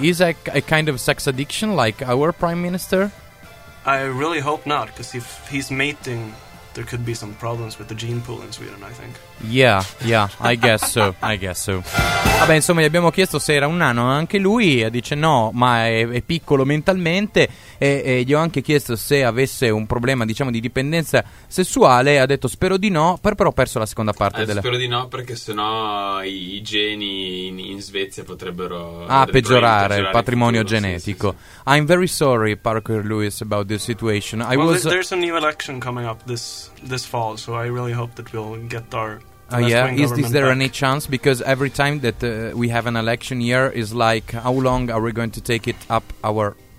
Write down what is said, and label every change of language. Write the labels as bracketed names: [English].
[English] Is a kind of sex addiction like our prime minister? I really hope not, because if he's mating, there could be some problems with the gene pool in Sweden, I think. Yeah, I guess so. [Italian] Vabbè, insomma, gli abbiamo chiesto se era un nano anche lui, dice no, ma è piccolo mentalmente, e gli ho anche chiesto se avesse un problema, diciamo, di dipendenza sessuale, ha detto spero di no, però ho perso la seconda parte. Spero di no, perché sennò i geni in Svezia potrebbero peggiorare il patrimonio genetico. Sì. [English] I'm very sorry, Parker Lewis, about this situation. There's a new election coming up this fall, so I really hope that we'll get our Is there any chance? Because every time that we have an election year is like, how long are we going to take it up our...